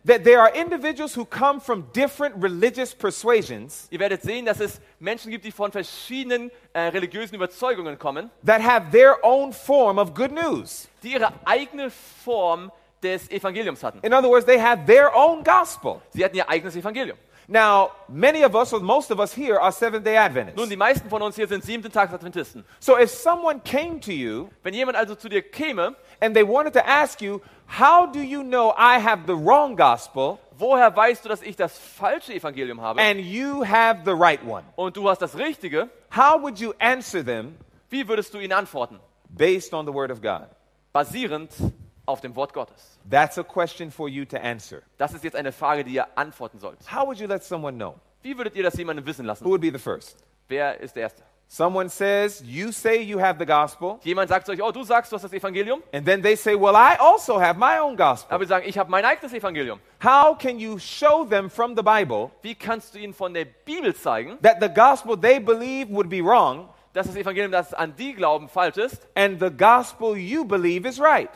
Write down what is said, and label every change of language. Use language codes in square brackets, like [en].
[en] that there are individuals who come from different religious persuasions. [de] Ihr werdet sehen, dass es Menschen gibt, die von verschiedenen religiösen Überzeugungen kommen. [en] That have their own form of good news. [de] Die ihre eigene Form des Evangeliums hatten. [en] In other words, they had their own gospel. [de] Sie hatten ihr eigenes Evangelium. [en] Now, many of us, or most of us here, are Seventh-day Adventists. [de] Nun, die meisten von uns hier sind siebenten Tages Adventisten. [en] So, if someone came to you, [de] wenn jemand also zu dir käme, [en] and they wanted to ask you, how do you know I have the wrong gospel? [de] Woher weißt du, dass ich das falsche Evangelium habe? [en] And you have the right one. [de] Und du hast das richtige. [en] How would you answer them? [de] Wie würdest du ihnen antworten? [en] Based on the Word of God. [de] Basierend auf dem Wort Gottes. [en] That's a question for you to answer. [de] Das ist jetzt eine Frage, die ihr antworten sollt. [en] How would you let someone know? [de] Wie würdet ihr das jemandem wissen lassen? [en] Who would be the first? [de] Wer ist der Erste? [en] Someone says, you say you have the gospel. [de] Jemand sagt zu euch, oh, du sagst, du hast das Evangelium. [en] And then they say, well, I also have my own gospel. [de] Aber sie sagen, ich habe mein eigenes Evangelium. [en] How can you show them from the Bible? [de] Wie kannst du ihnen von der Bibel zeigen? [en] That the gospel they believe would be wrong. [de] Dass das Evangelium, das an die glauben, falsch ist. [en] And the gospel you believe is right.